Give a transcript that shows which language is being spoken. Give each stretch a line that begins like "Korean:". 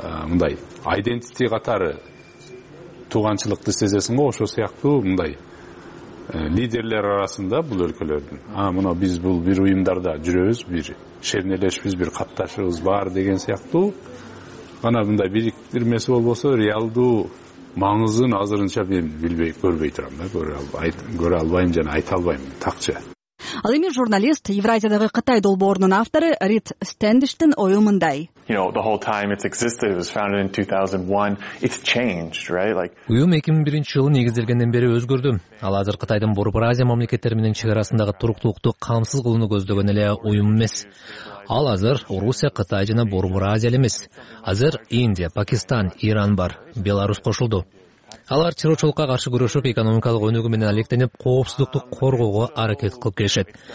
Kyrgyz: мындай айдентити катары тууганчылыкты сезесиң го, ошол сыяктуу мындай лидерлер арасында бул өлкөлөрдүн мына биз бул бир уюмдарда жүрөбүз, бир шернелешпиз, бир катташыбыз бар деген сыяктуу гана мындай бириктирмеси болбосо реалдуу маңызын азырынча мен билбей көрбөй турам да, көрө албайм жана айта албайм такча. Ал эми журналист Евразиядагы Кытай долбоорунун автору Рид Стендиштин ою мындай.
English: You know, the whole time it's existed, it was founded in 2001, it's changed, right? Like
Kyrgyz: уюм 2001 жылы негизделгенден бери өзгөрдү. Ал азыр Кытайдын Борбор Азия мамлекеттери менен чек арасындагы туруктуулукту камсыз кылууну көздөгөн эле уюм эмес. Ал азыр Орусия, Кытай жана Борбор Азия эле эмес. Азыр Индия, Пакистан, Иран бар, Беларусь кошулду. Алар террорчулукка каршы күрөшүп, экономикалык өнүгүү менен алектенип, коопсуздукту коргоого аракет кылып келишет.